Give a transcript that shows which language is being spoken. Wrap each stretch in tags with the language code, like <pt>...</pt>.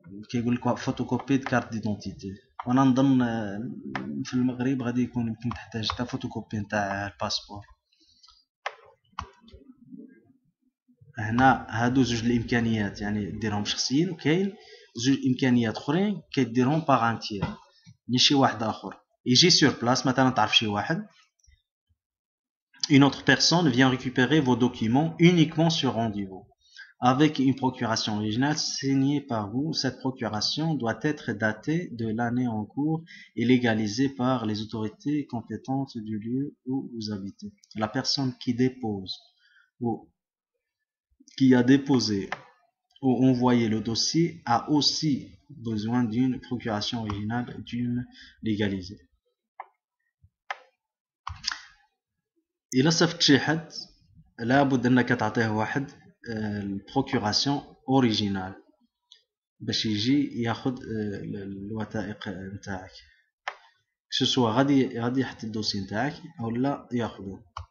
<ar>كيقول لك فوتوكوبي دي كارت ديدونتيتي. وانا نظن في المغرب غادي يكون يمكن تحتاج حتى فوتوكوبي نتاع الباسبور. هنا هادو زوج الامكانيات، يعني ديرهم شخصيا، وكاين زوج امكانيات اخرين كديرهم باغ ان تيير، ني شي واحد اخر يجي سور بلاس. مثلا تعرف شي واحد،</ar> <fr>une autre personne vient récupérer vos documents uniquement sur rendez-vous avec une procuration originale signée par vous. Cette procuration doit être datée de l'année en cours et légalisée par les autorités compétentes du lieu où vous habitez. La personne qui dépose ou qui a déposé ou envoyé le dossier a aussi besoin d'une procuration originale d'une légalisée.</fr> <ar>الى صيفطت شي حد لابد انك تعطيه واحد البروكوراسيون اوريجينال باش يجي ياخذ الوثائق نتاعك، كش سوا غادي يحط الدوسي نتاعك او لا ياخذه.</ar>